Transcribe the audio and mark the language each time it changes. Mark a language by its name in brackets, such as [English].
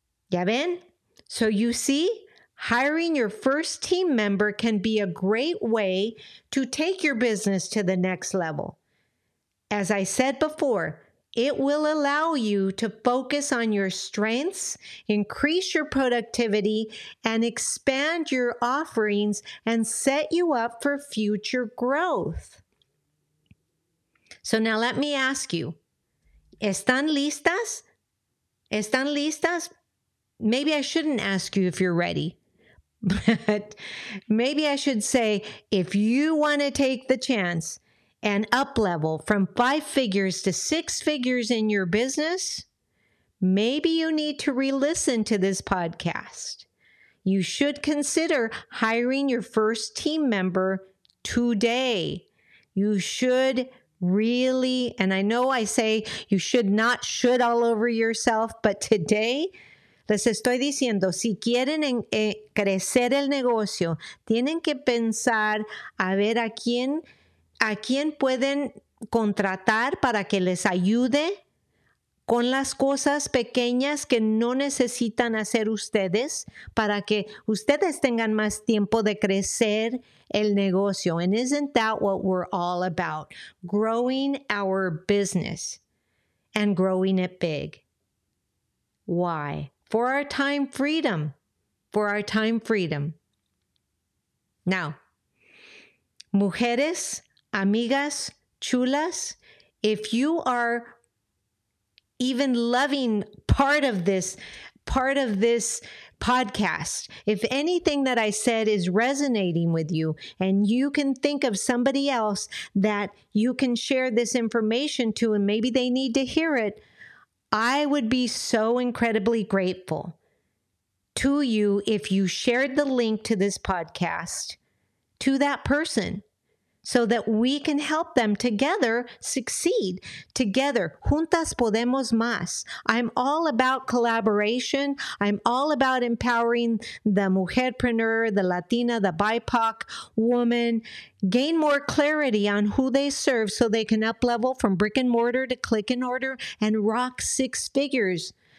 [Spanish] ¿Ya ven? [English] So you see, hiring your first team member can be a great way to take your business to the next level. As I said before, it will allow you to focus on your strengths, increase your productivity, and expand your offerings and set you up for future growth. So now let me ask you, [Spanish] ¿están listas? ¿Están listas? [English] Maybe I shouldn't ask you if you're ready, but maybe I should say, if you want to take the chance and up level from 5 figures to 6 figures in your business, maybe you need to re-listen to this podcast. You should consider hiring your first team member today. You should really, and I know I say you should not should all over yourself, but today, [Spanish] les estoy diciendo, si quieren crecer el negocio, tienen que pensar a ver a quién pueden contratar para que les ayude con las cosas pequeñas que no necesitan hacer ustedes para que ustedes tengan más tiempo de crecer el negocio. [English] And isn't that what we're all about? Growing our business and growing it big. Why? For our time freedom. For our time freedom. Now, [Spanish] mujeres, amigas, chulas, [English] if you are even loving part of this podcast, if anything that I said is resonating with you and you can think of somebody else that you can share this information to and maybe they need to hear it, I would be so incredibly grateful to you if you shared the link to this podcast to that person, so that we can help them together succeed. Together, [Spanish] juntas podemos más. [English] I'm all about collaboration. I'm all about empowering the mujerpreneur, the Latina, the BIPOC woman. Gain more clarity on who they serve so they can up-level from brick and mortar to click and order and rock 6 figures.